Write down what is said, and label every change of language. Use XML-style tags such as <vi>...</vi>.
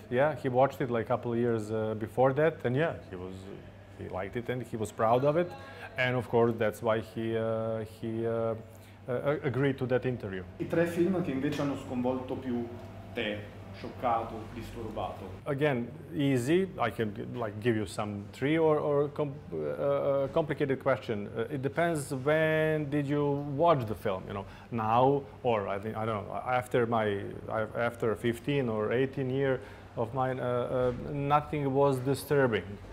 <en>Yeah, he watched it like a couple of years before that, and yeah, he liked it and he was proud of it, and of course that's why he agreed to that interview.</en> <it>I tre film che invece hanno sconvolto più te, scioccato, disturbato.</it> <en>Again, easy. I can like give you some three or complicated question. It depends. When did you watch the film? You know, now or I think I don't know. After 15 or 18 year of mine, nothing was disturbing.</en>